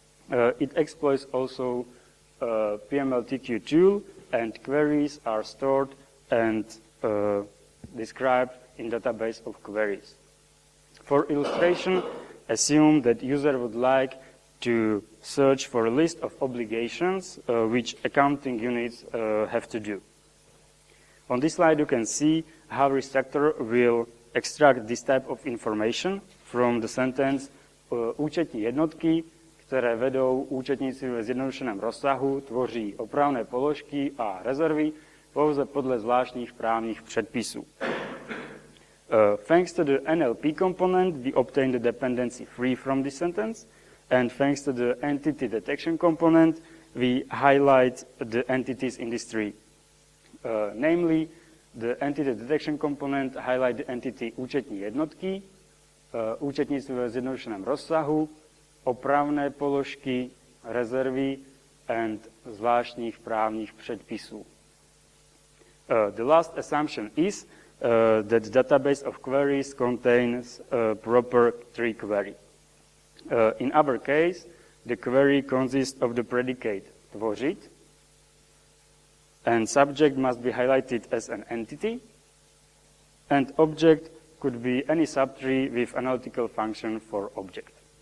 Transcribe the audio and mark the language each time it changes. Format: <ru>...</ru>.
<en>It exploits also PMLTQ tool, and queries are stored and described in database of queries. For illustration, assume that user would like to search for a list of obligations which accounting units have to do. On this slide, you can see how restructure will extract this type of information from the sentence</en> <cs>účetní jednotky, které vedou účetnictví ve zjednodušeném rozsahu, tvoří opravné položky a rezervy, pouze podle zvláštních právních předpisů.</cs> <en>Thanks to the NLP component, we obtain the dependency free from this sentence, and thanks to the entity detection component, we highlight the entities in this tree. Namely, the entity detection component highlights the entity účetní jednotky, účetnictví ve zjednodušeném rozsahu, opravné položky, rezervy and zvláštních právních předpisů. The last assumption is that the database of queries contains a proper tree query. In our case, the query consists of the predicate tvořit, and subject must be highlighted as an entity, and object could be any subtree with analytical function for object.</en>